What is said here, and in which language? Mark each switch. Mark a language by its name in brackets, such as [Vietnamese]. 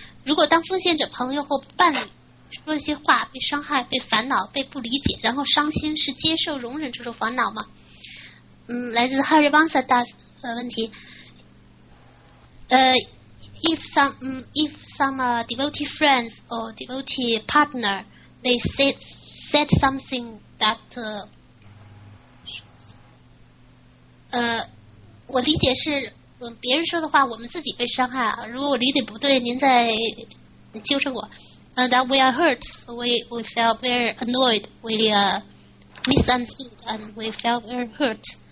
[Chinese] 如果当奉献者朋友或伴侣说一些话，被伤害、被烦恼、被不理解，然后伤心，是接受、容忍这种烦恼吗？来自 Hari Bansa Das 的问题。 [English] If some devotee friends or devotee partner they said something that [Chinese] 我理解是。别人说的话，我们自己被伤害啊！如果我理解不对，您再纠正我。 [English] That we are hurt, we felt very annoyed, we misunderstood, and we felt very hurt.